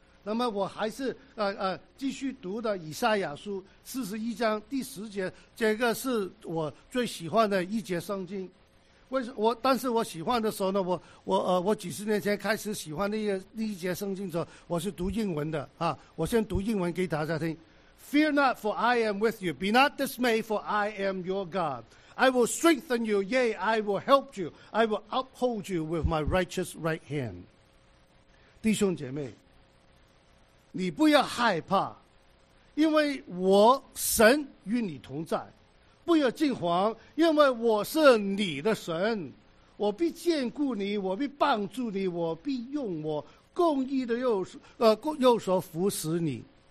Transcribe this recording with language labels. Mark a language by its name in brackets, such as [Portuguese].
[Chinese] 那么我还是继续读的以赛亚书41章第10节，这个是我最喜欢的一节圣经。为什么？但是我喜欢的时候呢，我几十年前开始喜欢那一节圣经的时候，我是读英文的啊。我先读英文给大家听 ： [English] Fear not, for I am with you. Be not dismayed, for I am your God. I will strengthen you. Yea, I will help you. I will uphold you with my righteous right hand. [Chinese] 弟兄姐妹，你不要害怕，因为我神与你同在。不要惊慌，因为我是你的神，我必眷顾你，我必帮助你，我必用我公义的右手扶持你。